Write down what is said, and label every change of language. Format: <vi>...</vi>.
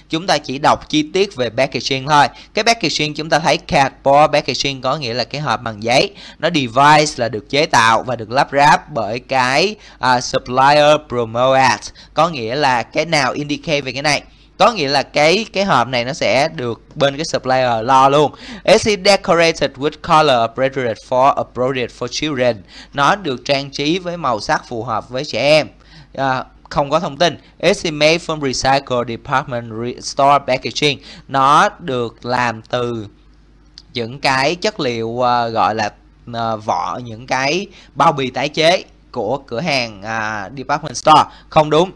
<vi>Chúng ta chỉ đọc chi tiết về packaging thôi. Cái packaging chúng ta thấy cardboard packaging có nghĩa là cái hộp bằng giấy. Nó device là được chế tạo và được lắp ráp bởi cái supplier promoted. Có nghĩa là cái nào indicate về cái này. Có nghĩa là cái hộp này nó sẽ được bên cái supplier lo luôn.</vi> <en>Is it decorated with color appropriate for children?</en> <vi>Nó được trang trí với màu sắc phù hợp với trẻ em. Không có thông tin.</vi> <en>Is it made from recycled department store packaging?</en> <vi>Nó được làm từ những cái chất liệu gọi là vỏ, những cái bao bì tái chế của cửa hàng department store không đúng.</vi>